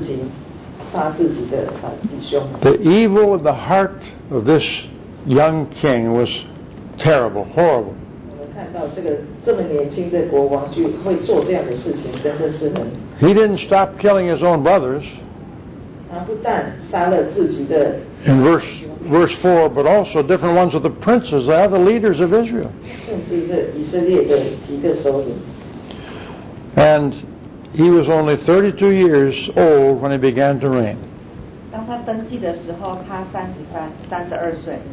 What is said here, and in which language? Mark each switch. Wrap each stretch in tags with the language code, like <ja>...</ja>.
<zh>为什么这么好的一个国王约沙发呢，的儿子约兰会做这样的事情，杀自己的弟兄？</zh> <en>The evil in the heart of this young king was terrible, horrible.</en> <zh>看到这个这么年轻的国王就会做这样的事情，真的是很。</zh> <en>He didn't stop killing his own brothers.</en> <zh>他不但杀了自己的。</zh> <en>In verse 4, but also different ones of the princes, the other leaders of Israel.</en> <zh>甚至是以色列的几个首领。</zh> <en>And he was only 32 years old when he began to reign.</en> <zh>当他登基的时候，他三十二岁。</zh>